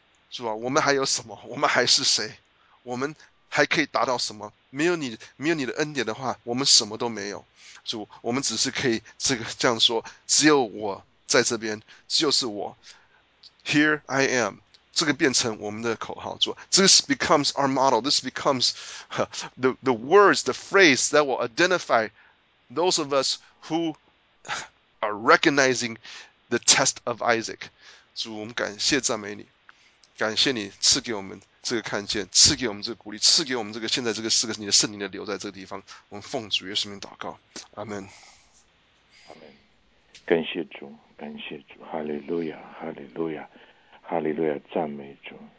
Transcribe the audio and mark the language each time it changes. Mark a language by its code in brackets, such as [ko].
[zh] 主啊，我们还有什么？我们还是谁？我们还可以达到什么？没有你，没有你的恩典的话，我们什么都没有。主，我们只是可以这样说：只有我在这边，就是我。 [en] Here I am， [zh] 这个变成我们的口号。主， [en] This becomes our motto. This becomes the words, the phrase that will identify those of us who are recognizing the test of Isaac. [zh] 主，我们感谢赞美你。感谢你赐给我们这个看见，赐给我们这个鼓励，赐给我们这个现在这个四个你的圣灵的留在这个地方。我们奉主耶稣名祷告，阿门。阿门。感谢主，感谢主，哈利路亚，哈利路亚，哈利路亚，赞美主。